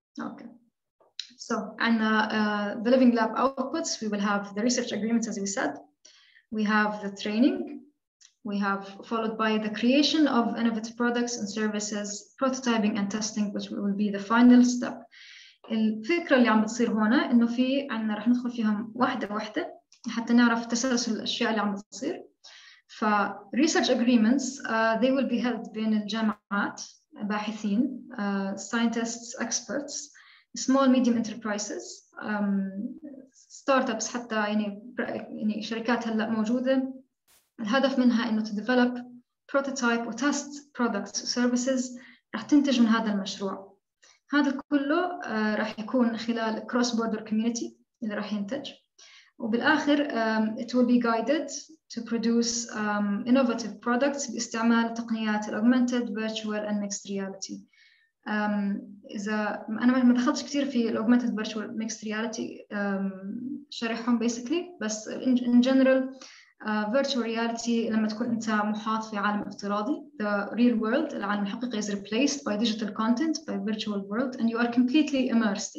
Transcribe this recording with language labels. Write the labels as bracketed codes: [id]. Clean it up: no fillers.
[en] Okay, so and the living lab outputs, we will have the research agreements, as we said. We have the training. We have followed by the creation of innovative products and services, prototyping and testing, which will be the final step. [ar] الفكرة اللي عم بتصير هنا إنه في عنا رح ندخل فيهم واحدة واحدة. حتى نعرف تسلسل الأشياء اللي عم تصير. [en] فresearch agreements they will be held [ar] بين الجامعات, باحثين, [en] scientists, experts, small medium enterprises, startups, [ar] حتى يعني شركات هلا موجودة. الهدف منها إنه [en] to develop prototype or test products services [ar] رح تنتج من هذا المشروع. هذا كله رح يكون خلال [en] cross border community [ar] اللي رح ينتج. [en] وبالآخر it will be guided to produce innovative products [ar] باستعمال تقنيات الـ [en] augmented, virtual and mixed reality. [ar] أنا ما دخلتش كثير في الـ [en] augmented, virtual, mixed reality [ar] شرحهم basically, بس [en] in general [ar] virtual reality لما تكون أنت محاط في عالم افتراضي. [en] The real world, [ar] العالم الحقيقي, [en] is replaced by digital content, by virtual world, and you are completely immersed.